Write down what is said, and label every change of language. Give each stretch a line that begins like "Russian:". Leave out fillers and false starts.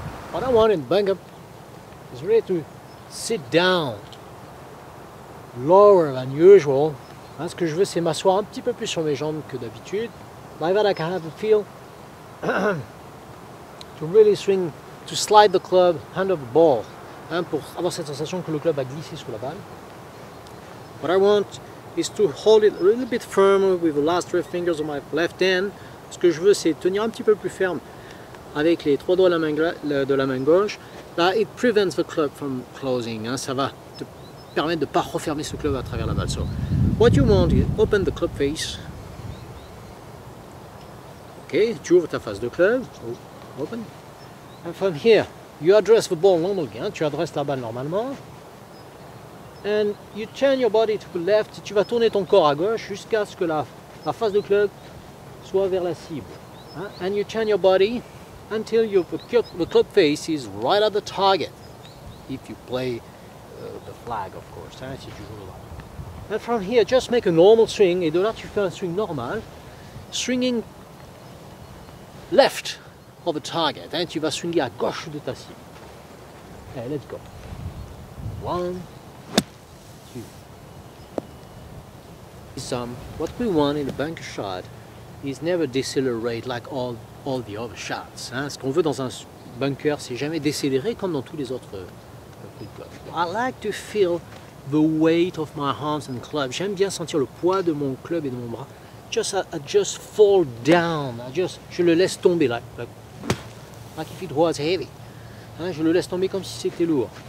English: What I want in Bangkok is really to sit down lower than usual.
French: Ce que je veux, c'est m'asseoir un petit peu plus sur mes jambes que d'habitude.
English: By that, I can have a feel to really swing, to slide the club, hand of the ball,
French: pour avoir cette sensation que le club a glissé sous la balle.
English: What I want is to hold it a little bit firmer with the last three fingers of my left hand.
French: Ce que je veux, c'est tenir un petit peu plus ferme avec les trois doigts de la main gauche.
English: That it prevents the club from closing.
French: Ça va te permettre de ne pas refermer ce club à travers la balle.
English: So, what you want is open the club face. Okay,
French: tu ouvres ta face de club.
English: Oh, open. And from here, you address the ball normally.
French: Tu adresses la balle normalement.
English: And you turn your body to the left.
French: Tu vas tourner ton corps à gauche jusqu'à ce que la face de club soit vers la cible.
English: And you turn your body until the club face is right at the target. If you play the flag, of course.
French: Si tu joues le ballon.
English: And from here, just make a normal swing.
French: Et de là, tu fais un swing normal.
English: Swinging left of the target.
French: Et tu vas swinger à gauche de ta cible.
English: Okay, let's go. One. Two. What we want in a bunker shot is never decelerate like all the other shots.
French: Ce qu'on veut dans un bunker, c'est jamais décélérer comme dans tous les autres clubs.
English: I like to feel the weight of my arms and club.
French: J'aime bien sentir le poids de mon club et de mon bras.
English: Just I just fall down.
French: Je le laisse tomber
English: like if it was heavy.
French: Je le laisse tomber comme si c'était lourd.